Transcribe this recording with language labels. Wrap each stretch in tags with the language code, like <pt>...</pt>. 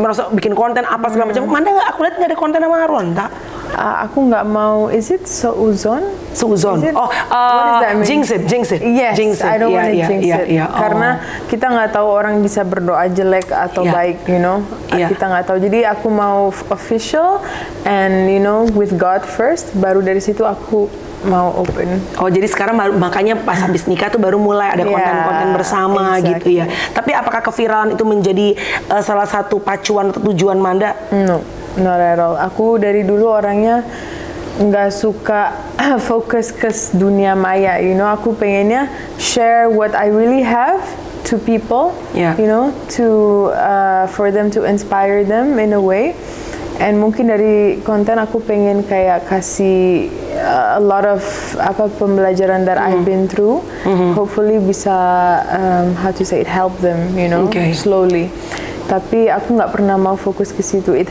<id>Merasa bikin konten apa segala macam. Mana nggak? Aku lihat nggak ada konten sama Ronta. Aku nggak mau.</id> <en>Is it Suzon? Suzon. Oh, jinx it. Yes, jinx it. I don't want to jinx it. Yeah.</en> <id>Karena kita nggak tahu orang bisa berdoa jelek atau baik,</id> <en>you know. Yeah.</en> <id>Kita nggak tahu. Jadi aku mau</id> <en>official and you know with God first.</en> <id>Baru dari situ aku mau open. Oh, jadi sekarang makanya pas habis nikah tuh baru mulai ada konten-konten bersama gitu ya. Tapi apakah keviralan itu menjadi salah satu pacuan atau tujuan Manda?</id> <en>No. Not at all.</en> <id>Aku dari dulu orangnya nggak suka fokus ke dunia maya,</id> <en>you know.</en> <id>Aku pengennya</id> <en>share what I really have to people, you know, to for them to inspire them in a way.</en> <id>And mungkin dari konten aku pengen kayak kasih</id> <en>a lot of</en> <id>apa pembelajaran</id> <en>that I've been through. Hopefully</en> <id>bisa</id> <en>how to say it, help them, you know, slowly.</en> <id>Tapi aku nggak pernah mau fokus ke situ.</id>